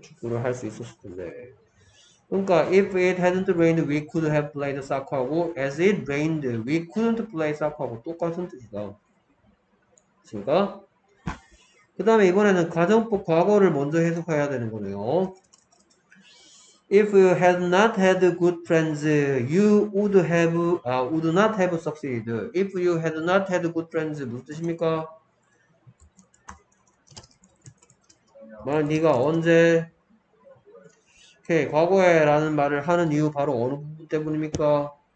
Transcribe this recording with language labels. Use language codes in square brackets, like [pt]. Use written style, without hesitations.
[ko] 축구를 할수 있었을 텐데. 그러니까 [en] if it hadn't rained, we could have played soccer하고 as it rained, we couldn't play soccer하고 똑같은 뜻이다. [ko] 그러니까 그 다음에 이번에는 가정법 과거를 먼저 해석해야 되는 거네요. [en] If you had not had good friends, you would have, would not have succeeded. If you had not had good friends, [ko] 무슨 뜻입니까? 만약 네가 언제, 오케이, 과거에라는 말을 하는 이유 바로 어느 부분 때문입니까?